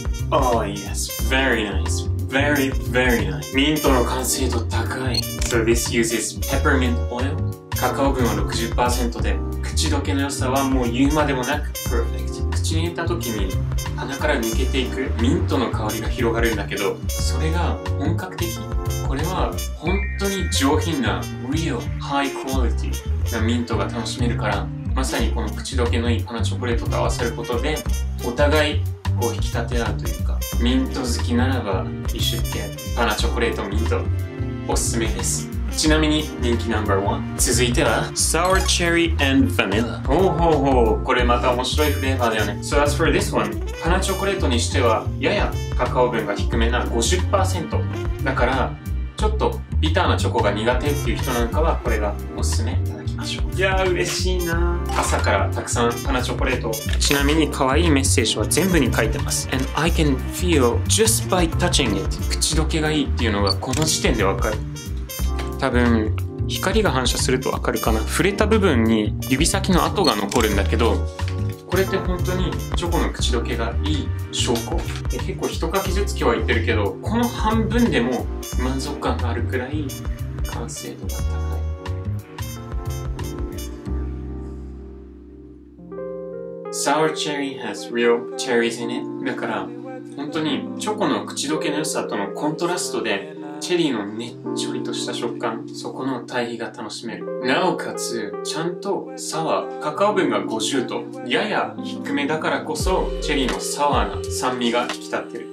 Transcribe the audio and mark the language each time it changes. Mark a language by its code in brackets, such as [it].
[en] Oh yes, very nice, very very nice。 [ja] ミントの完成度高い。 [en] So this uses peppermint oil。 [ja] カカオ分は 60% で、口どけの良さはもう言うまでもなく perfect。口に入れた時に鼻から抜けていくミントの香りが広がるんだけど、それが本格的。これは本当に上品な [en] real high quality [ja] なミントが楽しめるから、まさにこの口どけのいいこのチョコレートと合わせることでお互いこう引き立て合うというか、ミント好きならば一緒にパナチョコレートミントおすすめです。ちなみに人気ナンバーワン、続いては [en] Sour Cherry and Vanilla。 [ja] ほうほうほう、これまた面白いフレーバーだよね。 [en] So as for this one、 [ja] パナチョコレートにしてはややカカオ分が低めな 50% だから、ちょっとビターなチョコが苦手っていう人なんかはこれがおすすめ。いやー嬉しいな。朝からたくさんパナチョコレート。ちなみに可愛いメッセージは全部に書いてます。 [en] And I can feel just by touching it。 [ja] 口どけがいいっていうのがこの時点でわかる。多分光が反射するとわかるかな。触れた部分に指先の跡が残るんだけど、これって本当にチョコの口どけがいい証拠。結構一かきずつ今日は言ってるけど、この半分でも満足感があるくらい完成度が高い。 [en] Sour cherry has real cherries in it。 [ja] だから本当にチョコの口どけの良さとのコントラストでチェリーのねっちょりとした食感、そこの対比が楽しめる。なおかつちゃんとサワー、カカオ分が50とやや低めだからこそチェリーのサワーな酸味が引き立ってる。